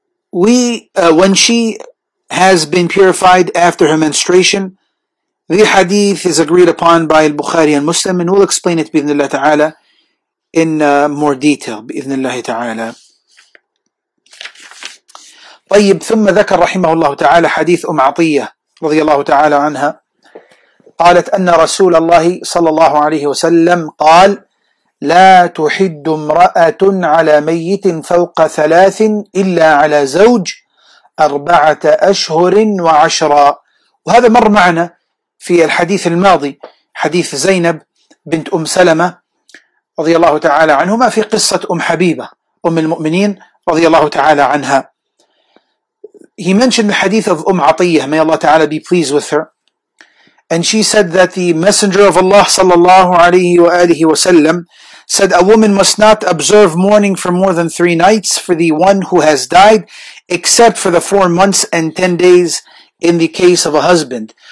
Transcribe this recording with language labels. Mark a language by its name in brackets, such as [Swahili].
[English] When she has been purified after her menstruation, the hadith is agreed upon by al-Bukhari and Muslim, and we'll explain it [Arabic] bi-ithnillah ta'ala [English] in more detail bi-ithnillah ta'ala. [Arabic] طيب ثم ذكر رحمه الله تعالى حديث أم عطية رضي الله تعالى عنها قالت أن رسول الله صلى الله عليه وسلم قال لا تحد امرأة على ميت فوق ثلاث إلا على زوج 4 أشهر و10. وهذا مر معنا في الحديث الماضي حديث زينب بنت أم سلمة رضي الله تعالى عنهما في قصة أم حبيبة أم المؤمنين رضي الله تعالى عنها. [English] He mentioned the hadith of Umm Atiyah, may Allah Ta'ala be pleased with her. And she said that the Messenger of Allah [Arabic] sallallahu alayhi wa alihi wa sallam [English] said, a woman must not observe mourning for more than 3 nights for the one who has died, except for the 4 months and 10 days in the case of a husband.